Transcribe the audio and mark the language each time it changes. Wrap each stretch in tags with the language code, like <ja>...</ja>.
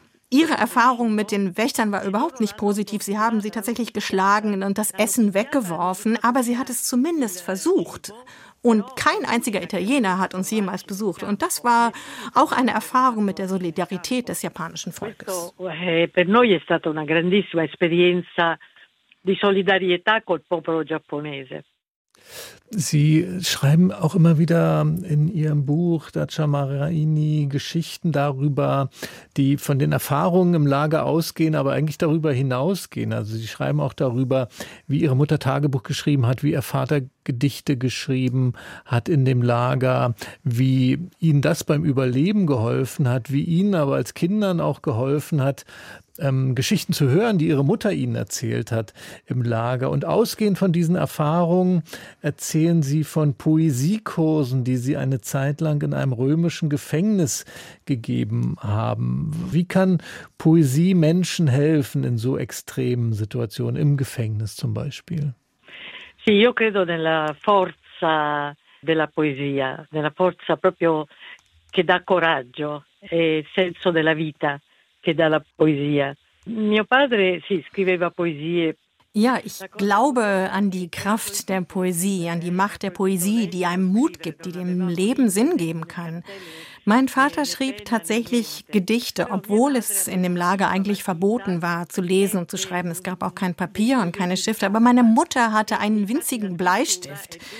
<de>Ihre Erfahrung mit den Wächtern war überhaupt nicht positiv. Sie haben sie tatsächlich geschlagen und das Essen weggeworfen, aber sie hat es zumindest versucht. Und kein einziger Italiener hat uns jemals besucht. Und das war auch eine Erfahrung mit der Solidarität des japanischen Volkes.</de> <it>Per noi è stata una grandissima esperienza di solidarietà col popolo giapponese.</it> <de>Sie schreiben auch immer wieder in Ihrem Buch Dacia Maraini Geschichten darüber, die von den Erfahrungen im Lager ausgehen, aber eigentlich darüber hinausgehen. Also Sie schreiben auch darüber, wie Ihre Mutter Tagebuch geschrieben hat, wie Ihr Vater Gedichte geschrieben hat in dem Lager, wie Ihnen das beim Überleben geholfen hat, wie Ihnen aber als Kindern auch geholfen hat, Geschichten zu hören, die ihre Mutter ihnen erzählt hat im Lager. Und ausgehend von diesen Erfahrungen erzählen sie von Poesiekursen, die sie eine Zeit lang in einem römischen Gefängnis gegeben haben. Wie kann Poesie Menschen helfen in so extremen Situationen, im Gefängnis zum Beispiel?</de> <it>Sì, io credo nella forza della poesia, nella forza proprio che dà coraggio e senso della vita.</it> <de>Ja, ich glaube an die Kraft der Poesie, an die Macht der Poesie, die einem Mut gibt, die dem Leben Sinn geben kann. Mein Vater schrieb tatsächlich Gedichte, obwohl es in dem Lager eigentlich verboten war, zu lesen und zu schreiben. Es gab auch kein Papier und keine Stifte, aber meine Mutter hatte einen winzigen Bleistift.</de>